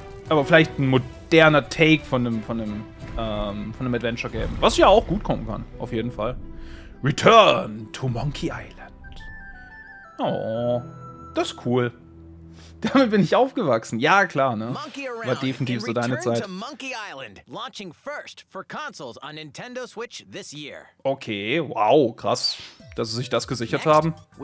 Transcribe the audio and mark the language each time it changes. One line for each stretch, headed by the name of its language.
German: Aber vielleicht ein moderner Take von einem Adventure-Game. Was ja auch gut kommen kann, auf jeden Fall. Return to Monkey Island. Oh, das ist cool. Damit bin ich aufgewachsen. Ja, klar, ne? War definitiv so deine Zeit.
English: Monkey Island, launching first for consoles on Nintendo Switch this year.
German: Okay, wow, krass, dass sie sich das gesichert haben.